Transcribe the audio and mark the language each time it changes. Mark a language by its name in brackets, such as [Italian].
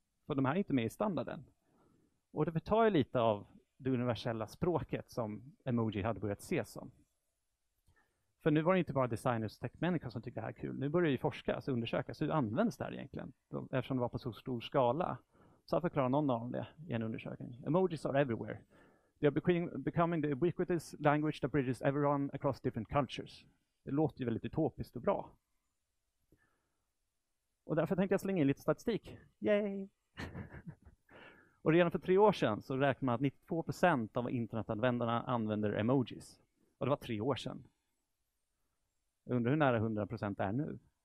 [Swedish] För de här är inte med i standarden. Och det betar ju lite av det universella språket som emoji hade börjat ses som. För nu var det inte bara designers och techmänniskor som tyckte det här är kul. Nu börjar ju forskas och undersökas hur används det här egentligen. Eftersom det var på så stor skala. Så jag förklarar någon av det i en undersökning. [English] Emojis are everywhere. They are becoming the ubiquitous language that bridges everyone across different cultures. [Swedish] Det låter ju väldigt utopiskt och bra. Och därför tänkte jag slänga in lite statistik. Yay! Och redan för 3 år sedan så räknade man att 92% av internetanvändarna använder emojis. Och det var 3 år sedan. Jag undrar hur nära 100% är nu.